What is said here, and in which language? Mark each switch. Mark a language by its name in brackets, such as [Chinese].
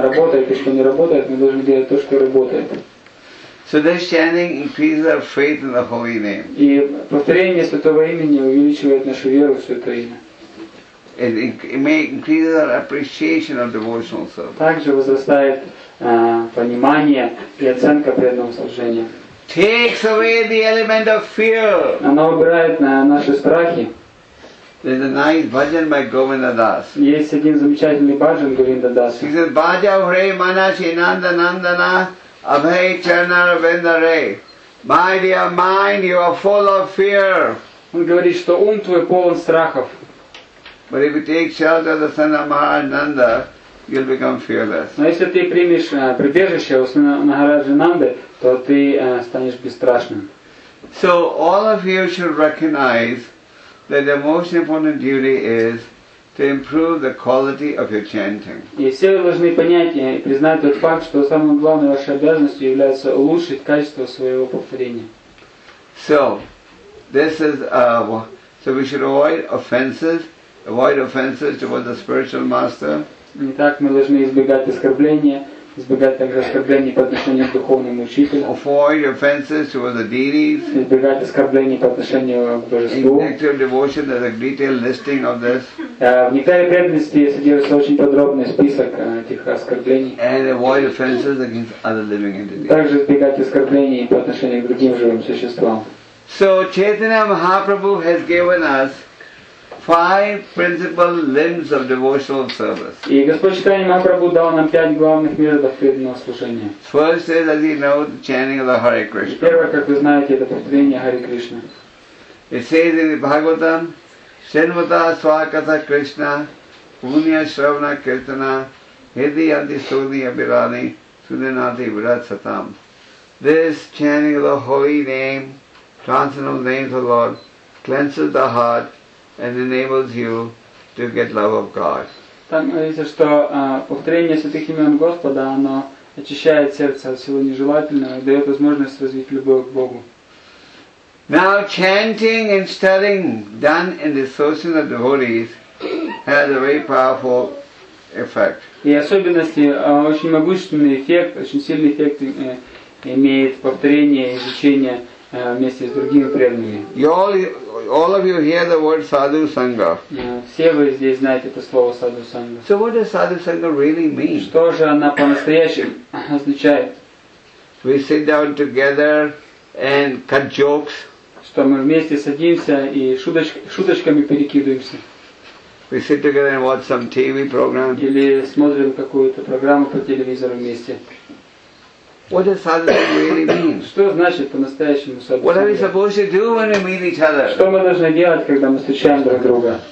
[English] So, recognizing what works and what doesn't work, we should do what works. So this chanting increases our faith in the holy name. [Russian] И повторение святого имени увеличивает нашу веру в святое имя. [English] It may increase our appreciation of devotional service. [Russian] Также возрастает понимание и оценка преданного служения. [English] Takes away the element of fear. [Russian] Оно убирает наши страхи. [English] There's a nice bhajan by Govinda Das. [Russian] Есть один замечательный бхаджан Говинда Дас. [English] He says, [Bangla] "Bhaja Hare Manashi Nanda Nandana." Abhay Charanaravinda Re, [English] my dear mind, you are full of fear. [Russian] Он говорит, что ум твой полон страхов. [English] But if you take shelter of the Son of Mahananda, you'll become fearless. [Russian] Но если ты примешь прибежище у Сына Махараджи Нанды, то ты станешь бесстрашным. [English] So all of you should recognize that the most important duty is to improve the quality of your chanting. [Russian] И все вы должны понять и признать тот факт, что самым главной вашей обязанностью является улучшить качество своего повторения. [English] So, this is so we should avoid offenses towards the spiritual master. [Russian] Итак, мы должны избегать оскорблений по отношению к духовному учителю. [English] Avoid offenses towards the deities. [Russian] Избегать оскорблений по отношению к божеству. [English] In nectar of devotion, there's a detailed listing of this. [Russian] В нектаре преданности содержится очень подробный список этих оскорблений. [English] And avoid offenses against other living entities. [Russian] Также избегать оскорблений по отношению к другим живым существам. [English] So Chaitanya Mahaprabhu has given us 5 principal limbs of devotional service. [Russian] И Господь Чайтанья Махапрабху дал нам 5 главных методов преданного служения. [English] First is, as you know, the chanting of the Hare Krishna. [Russian] Первое, как вы знаете, это повторение Hare Krishna. [English] It says in the Bhagavatam, [Sanskrit] Shenvata Swakata Krishna, Punya Shravana Kirtana, Hedi Yanti Sodhi Abhirani, Sudhanati Virat Satam. [English] This chanting of the holy name, transcendental name of the Lord, cleanses the heart, and enables you to get love of God. [Russian] Там говорится, что повторение святых имен Господа, оно очищает сердце от всего нежелательного и дает возможность развить любовь к Богу. [English] Now chanting and studying done in the association of devotees has a very powerful effect. [Russian] И особенности, очень могущественный эффект, очень сильный эффект имеет повторение и изучение вместе с другими преданными. [English] All of you hear the word sadhu sangha. [Russian] Все вы здесь знаете это слово sadhu sangha. [English] So what does sadhu sangha really mean? [Russian] Что же она по-настоящему означает? [English] We sit down together and cut jokes. [Russian] Что мы вместе садимся и шуточками перекидываемся. [English] We sit together and watch some TV program. [Russian] Или смотрим какую-то программу по телевизору вместе. [English] What does sadhana really mean? [Russian] Что значит по-настоящему садхана? [English] What are we supposed to do when we meet each other? [Russian] Что мы должны делать, когда мы встречаем друг друга?